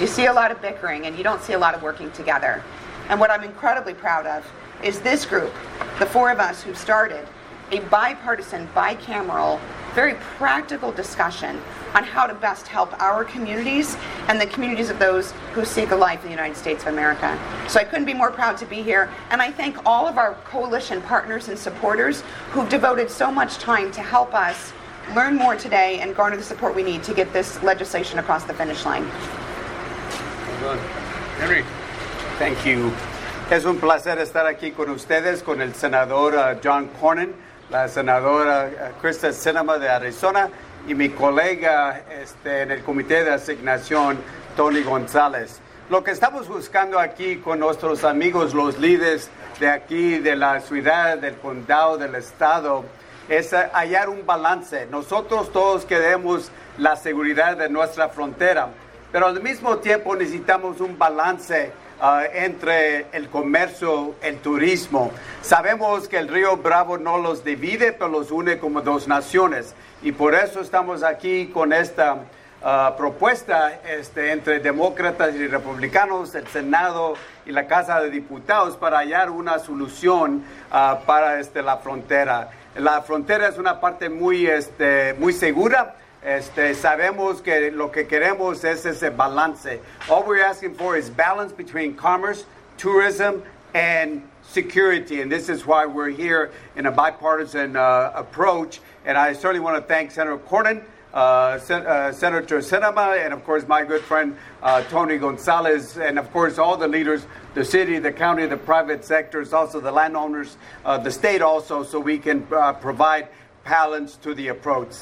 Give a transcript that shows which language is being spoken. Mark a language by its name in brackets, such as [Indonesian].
[English] You see a lot of bickering, and you don't see a lot of working together. And what I'm incredibly proud of is this group, the four of us, who started a bipartisan, bicameral, very practical discussion on how to best help our communities and the communities of those who seek a life in the United States of America. So I couldn't be more proud to be here, and I thank all of our coalition partners and supporters who've devoted so much time to help us learn more today and garner the support we need to get this legislation across the finish line. Well done. Henry. Thank you. [Spanish] Es un placer estar aquí con ustedes, con el senador John Cornyn, la senadora Krista Sinema de Arizona, y mi colega en el Comité de Asignación, Tony González. Lo que estamos buscando aquí con nuestros amigos, los líderes de aquí, de la ciudad, del condado, del estado, es hallar un balance. Nosotros todos queremos la seguridad de nuestra frontera, pero al mismo tiempo necesitamos un balance entre el comercio, el turismo. Sabemos que el río Bravo no los divide, pero los une como dos naciones. Y por eso estamos aquí con esta propuesta entre demócratas y republicanos, el Senado y la Casa de Diputados, para hallar una solución para la frontera. La frontera es una parte muy, muy segura. Sabemos que lo que queremos es ese balance. [English] All we're asking for is balance between commerce, tourism, and security. And this is why we're here in a bipartisan approach. And I certainly want to thank Senator Cornyn, Senator Sinema, and of course my good friend Tony González, and of course all the leaders, the city, the county, the private sectors, also the landowners, the state also, so we can provide balance to the approach.